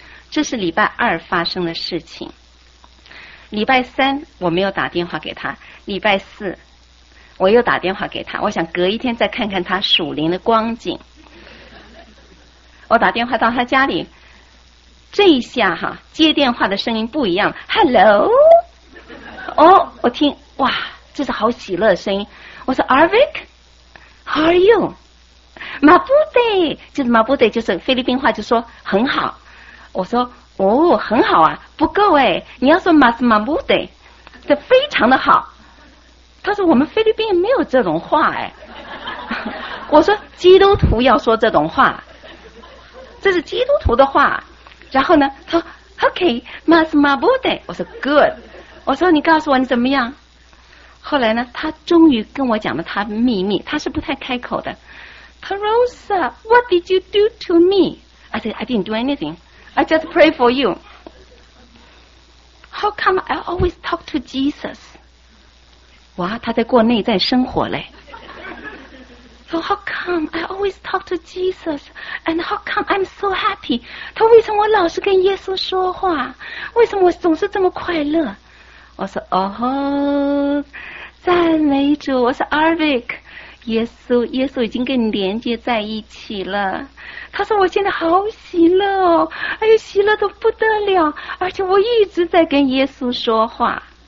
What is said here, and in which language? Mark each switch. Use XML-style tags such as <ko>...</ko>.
<zh>这是礼拜二发生的事情。礼拜三我没有打电话给他，礼拜四我又打电话给他，我想隔一天再看看他属灵的光景。我打电话到他家里，这一下哈，接电话的声音不一样， Hello, 哦，我听，哇，这是好喜乐的声音。</zh> <en>我说 Arvik, How are you?</en> <zh>Mabuti, 就是 Mabuti, 就是菲律宾话，就说很好。我说哦，很好啊，不够哎，你要说 mas mamude, 这非常的好。他说我们菲律宾没有这种话哎。我说基督徒要说这种话，这是基督徒的话。然后呢，他说 OK, mas mamude, 我说 good, 我说你告诉我你怎么样。后来呢，他终于跟我讲了他秘密，他是不太开口的。</zh> <en>他说 Rosa, what did you do to me? I said, I didn't do anything. I just pray for you. How come I always talk to Jesus?</en> <zh>哇，他在过内在生活嘞。</zh> <en>So how come I always talk to Jesus? And how come I'm so happy?</en> <zh>他为什么我老是跟耶稣说话？为什么我总是这么快乐？我说哦吼，赞美主！我说 Arvik, 耶稣，耶稣已经跟你连接在一起了。他说我现在好喜乐哦，哎呦，喜乐得不得了，而且我一直在跟耶稣说话。</zh>